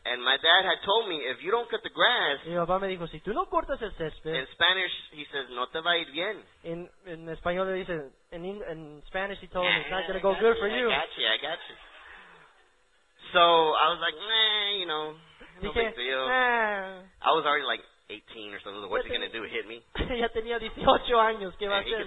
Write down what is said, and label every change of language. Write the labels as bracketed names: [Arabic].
[English] And my dad had told me, if you don't cut the grass. [Spanish] Y mi papá me dijo, si tú no cortas el césped. [English] In Spanish, he says, [Spanish] no te va a ir bien. En español le dice, [English] in Spanish, he told me, it's not going to go good for you. I got you. So I was like, nah, you know, no [Spanish] dije, [English] big deal. Nah. I was already like 18 or something. What's he going to do, hit me? [Spanish] Ya tenía 18 años. ¿Qué va a hacer?